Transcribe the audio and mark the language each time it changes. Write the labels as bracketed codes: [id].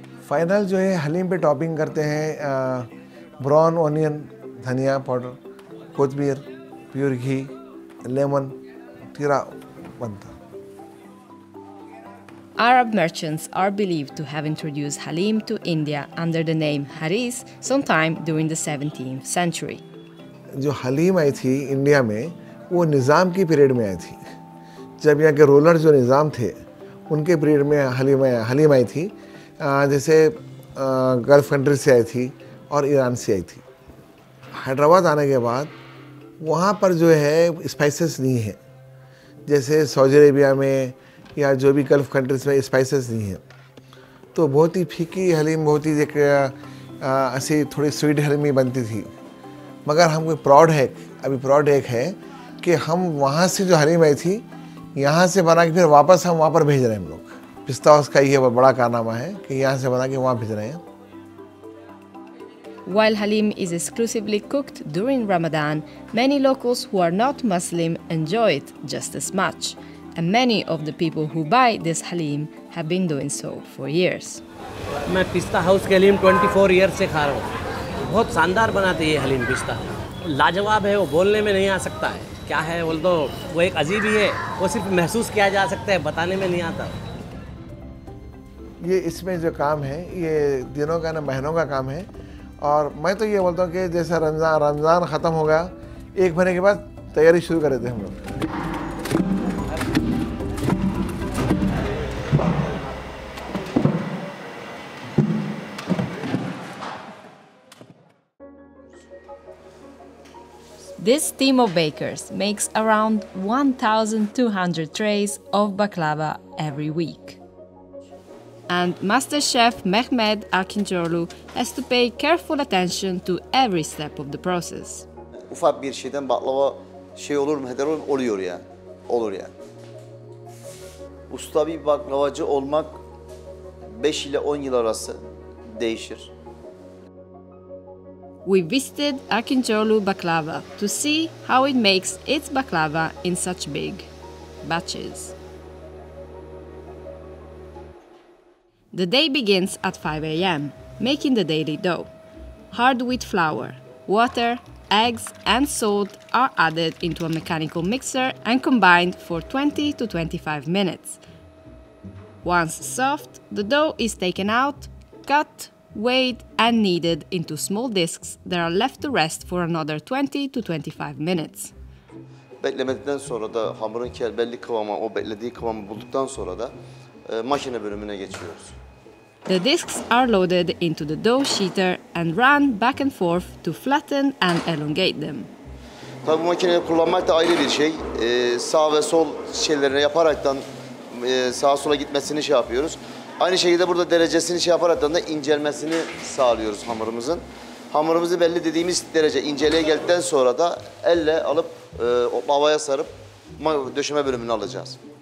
[hi] Final jo hai haleem pe topping karte hain [en] brown onion, [hi] dhaniya powder, kochbir, [en] pure ghee, lemon, [hi] tira banta. [en] Arab merchants are believed to have introduced haleem to India under the name haris sometime during the 17th century. [hi] Jo haleem aayi thi India mein वो निज़ाम की period में आई थी जब यहाँ के roller जो निज़ाम थे उनके पीरियड में हलीम आई थी जैसे गल्फ कंट्री से आई थी और ईरान से आई थी हैदराबाद आने के बाद वहाँ पर जो है स्पाइसेस नहीं है जैसे सऊदी अरेबिया में या जो भी गल्फ कंट्रीज में स्पाइसेस नहीं है तो बहुत ही फीकी हलीम बहुत ही एक ऐसी थोड़ी स्वीट हलीम बनती थी मगर हम प्राउड है अभी प्राउड एक है कि हम वहाँ से जो हलीम आई थी यहाँ से बना के फिर वापस हम वहाँ पर भेज रहे हैं हम लोग पिस्ता हाउस का ये बड़ा कारनामा है कि यहाँ से बना के वहाँ भेज रहे हैं [en] While haleem is exclusively cooked during Ramadan, many locals who are not Muslim enjoy it just as much. And many of the people who buy this haleem have been doing so for years. [hi] मैं पिस्ता house के haleem 24 [en] years [hi] से खा रहा हूँ. बहुत शानदार बनाते हैं हलीम पिस्ता. लाजवाब है वो, बोलने में नहीं आ सकता है. क्या है बोल दो, वो एक अजीब ही है. वो सिर्फ महसूस किया जा सकता है, बताने में नहीं आता. ये इसमें जो काम है ये दिनों का ना महीनों का काम है. और मैं तो ये बोलता हूँ कि जैसे रमज़ान ख़त्म हो गया, एक महीने के बाद तैयारी शुरू करे थे हम लोग. [en] This team of bakers makes around 1,200 trays of baklava every week. And Master Chef Mehmet Akincioglu has to pay careful attention to every step of the process. [tr] Ufak bir şeyden baklava şey olur mu, heder olur mu? Oluyor ya, olur ya. Usta bir baklavacı olmak 5 ile 10 yıl arası değişir. [en] We visited Akincioglu Baklava to see how it makes its baklava in such big batches. The day begins at 5 a.m., making the daily dough. Hard wheat flour, water, eggs and salt are added into a mechanical mixer and combined for 20 to 25 minutes. Once soft, the dough is taken out, cut, weighed and kneaded into small discs that are left to rest for another 20 to 25 minutes. [tr] Beklemeden sonra da hamurun kelbelli kıvamı, o beklediği kıvamı bulduktan sonra da makine bölümüne geçiyoruz. [en] The discs are loaded into the dough sheeter and run back and forth to flatten and elongate them. [tr] Tabii bu makineyi kullanmak da ayrı bir şey. Sağ ve sol şeylerini yaparaktan sağa sola gitmesini şey yapıyoruz. Aynı şekilde burada derecesini şey yaparaktan da incelmesini sağlıyoruz hamurumuzun. Hamurumuzu belli dediğimiz derece inceliğe geldikten sonra da elle alıp lavaya sarıp döşeme bölümünü alacağız.